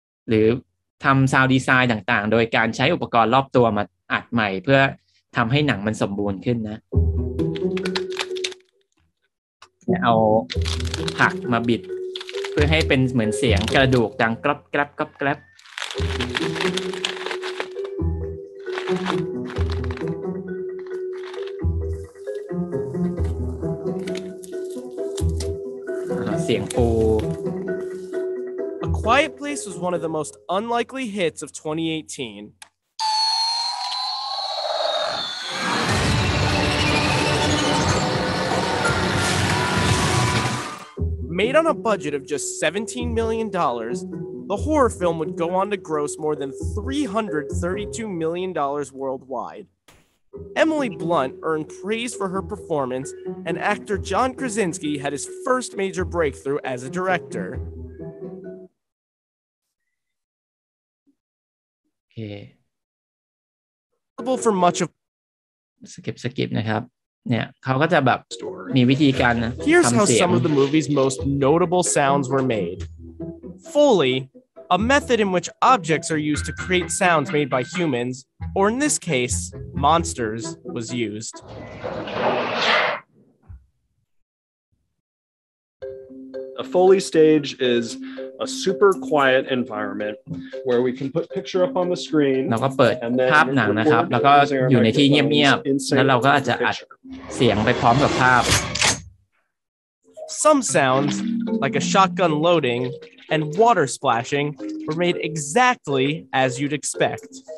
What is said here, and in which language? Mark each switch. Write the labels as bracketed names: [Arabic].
[Thai] หรือทำซาวด์ดีไซน์ต่างๆโดยการใช้อุปกรณ์รอบตัวมาอัดใหม่เพื่อทำให้หนังมันสมบูรณ์ขึ้นนะเอาผักมาบิดเพื่อให้เป็นเหมือนเสียงกระดูกดังกรอบแกรบกรอบแกรบเสียงปู [English] Quiet Place was one of the most unlikely hits of 2018. Made on a budget of just $17 million, the horror film would go on to gross more than $332 million worldwide. Emily Blunt earned praise for her performance, and actor John Krasinski had his first major breakthrough as a director. Okay. For much of skip [Thai] นะครับเนี่ยเขาก็จะแบบมีวิธีการนะ [English] Here's how some of the movie's most notable sounds were made. Foley, a method in which objects are used to create sounds made by humans, or in this case, monsters, was used. A Foley stage is. A super quiet environment where we can put picture up on the screen. [Thai] เราก็เปิดภาพหนังนะครับแล้วก็อยู่ในที่เงียบๆแล้วเราก็อาจจะอัดเสียงไปพร้อมกับภาพ [English] Some sounds like a shotgun loading and water splashing were made exactly as you'd expect.